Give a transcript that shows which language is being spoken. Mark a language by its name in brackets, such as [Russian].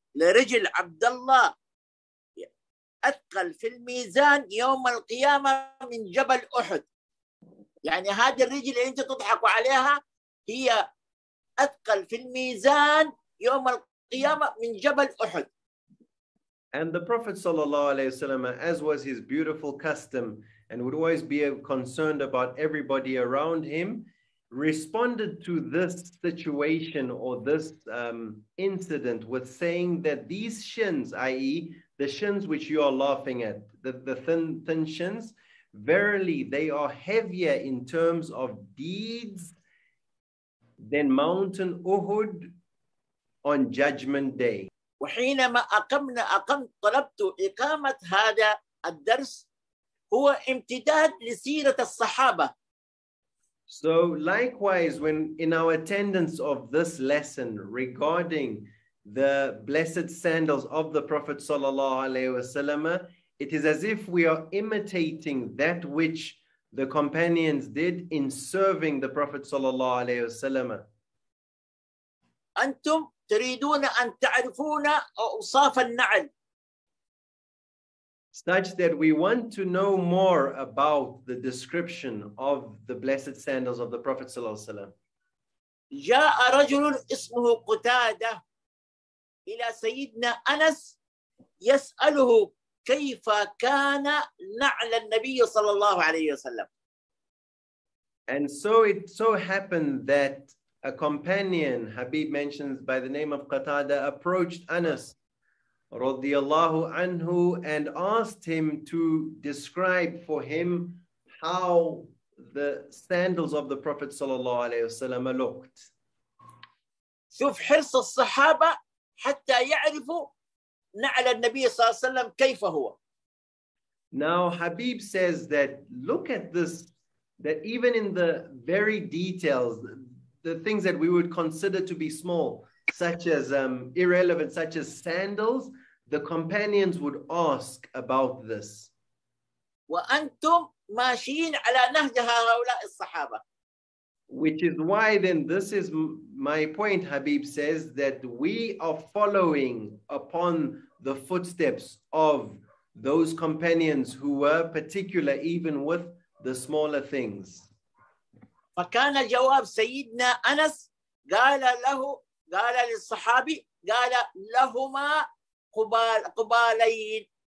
[Arabic] لرجل عبد الله أثقل في الميزان يوم القيامة من جبل أحد. يعني هذه الرجل اللي أنت تضحك عليها هي أثقل في الميزان يوم القيامة من جبل أحد. [English] And the Prophet sallallahu alaihi wasallam, as was his beautiful custom, and would always be concerned about everybody around him, responded to this situation or this incident with saying that these shins, i.e. the shins which you are laughing at, the thin shins, verily they are heavier in terms of deeds than Mountain Uhud on Judgment Day. [Arabic] وحينما أقمت طلبت إقامة هذا الدرس هو امتداد لسيرة الصحابة. [English] So likewise, when in our attendance of this lesson regarding the blessed sandals of the Prophet sallallahu alaihi wasallam, it is as if we are imitating that which the companions did in serving the Prophet sallallahu alaihi wasallam. [Arabic] أنتم تريدون أن تعرفون أوصاف النعل. [English] Such that we want to know more about the description of the blessed sandals of the Prophet sallallahu alaihi wasallam. [Arabic] جاء رجل اسمه قتادة إلى سيدنا أنس يسأله كيف كان نعل النبي صلى الله عليه وسلم. [English] And so it so happened that a companion, Habib mentions by the name of Qatada, approached Anas radiallahu anhu and asked him to describe for him how the sandals of the Prophet sallallahu alayhi wasallam looked. [Arabic] شوف حرص الصحابة حتى يعرفوا نعل النبي صلى الله عليه وسلم كيف هو. [English] Now Habib says that look at this, that even in the very details, the things that we would consider to be small, such as irrelevant, such as sandals, the companions would ask about this. [Arabic] وأنتم ماشيين على نهج هؤلاء الصحابة. [English] Which is why then, this is my point, Habib says, that we are following upon the footsteps of those companions who were particular even with the smaller things. [Arabic] فكان جواب سيدنا أنس قال له قال للصحابي قال لهما قبالين.